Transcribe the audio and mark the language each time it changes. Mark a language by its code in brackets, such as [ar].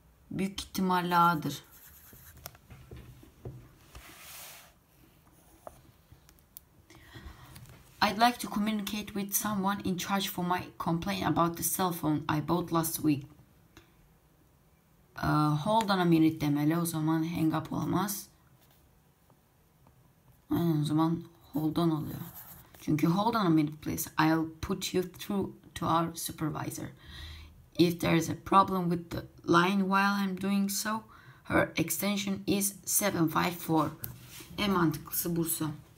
[tr] Büyük ihtimalle A'dır. [en] I'd like to communicate with someone in charge for my complaint about the cell phone I bought last week. Hold on a minute [tr] demeli, o zaman [en] hang up [tr] olmaz. O zaman [en] hold on [tr] oluyor. Çünkü [en] hold on a minute please, I'll put you through to our supervisor. If there is a problem with the line while I'm doing so, her extension is 754. [tr] En mantıklısı bursa.